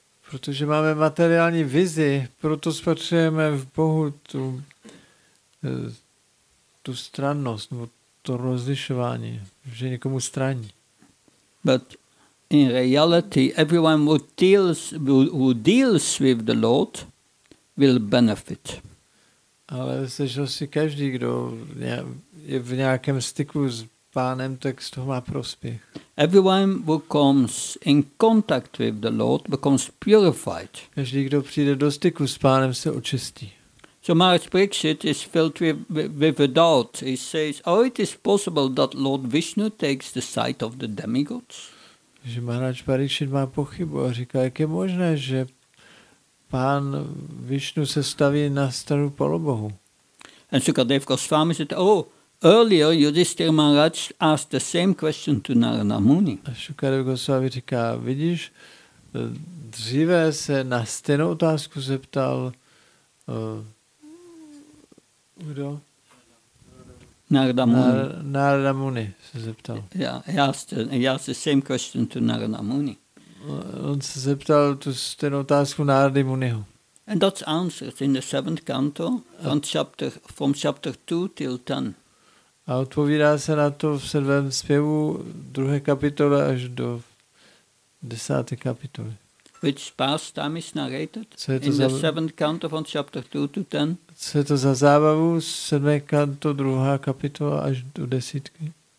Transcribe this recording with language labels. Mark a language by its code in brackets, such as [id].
[cs] Protože máme materiální vizi, proto spatřujeme v Bohu tu strannost, nebo to rozlišování, že někomu straní. [en] But in reality, everyone who deals with the Lord will benefit. [cs] Ale slyšel si každý, kdo je v nějakém styku s pánem, tak z toho má prospěch. [en] Everyone who comes in contact with the Lord becomes purified. [cs] Každý, kdo přijde do styku s pánem, se očistí. [en] So Maharaj Parikshit is filled with a doubt. He says, it is possible that Lord Vishnu takes the side of the demigods? [cs] Že Maharaj Parikshit má pochybu a říká, jak je možné, že pán Vishnu se staví na stranu polobohu. [en] And Sukadev Goswami said, earlier Yudhishthir Maharaj asked the same question to Narada Muni. [cs] A Sukadev Goswami říká, vidíš, dříve se na stejnou otázku zeptal kdo? Narada Muni se zeptal. [en] He asked the same question to Narada Muni. [cs] On se zeptal tu stejnou otázku Narada Muniho. [en] And that's answered in the seventh canto, from chapter 2 till 10. [cs] A odpovídá se na to v sedmém zpěvu druhé kapitole až do desáté kapitoly. [en] Which pastime is narrated in the seventh canto from chapter 2 to 10? [cs] Co je to za zábavu? Sedmé kanto, druhá kapitola až do desítky.